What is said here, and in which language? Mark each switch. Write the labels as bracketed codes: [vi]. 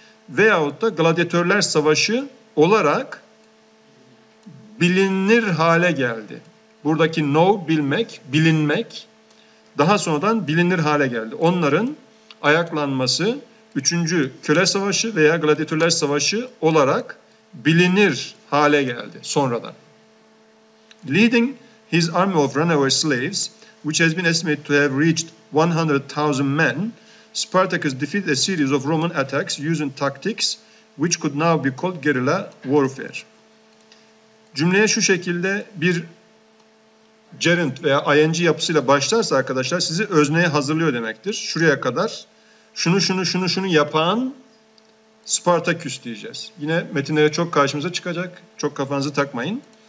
[tr] Veyahut da gladyatörler savaşı olarak bilinir hale geldi. Buradaki know, bilmek, bilinmek. Daha sonradan bilinir hale geldi. Onların ayaklanması üçüncü köle savaşı veya gladiatörler savaşı olarak bilinir hale geldi sonradan. [en] Leading his army of runaway slaves, which has been estimated to have reached 100,000 men, Spartacus defeated a series of Roman attacks using tactics which could now be called guerrilla warfare. [tr] Cümleye şu şekilde bir gerund veya ing yapısıyla başlarsa arkadaşlar sizi özneye hazırlıyor demektir. Şuraya kadar şunu şunu şunu şunu yapan Spartacus diyeceğiz. Yine metinlere çok karşımıza çıkacak. Çok kafanızı takmayın.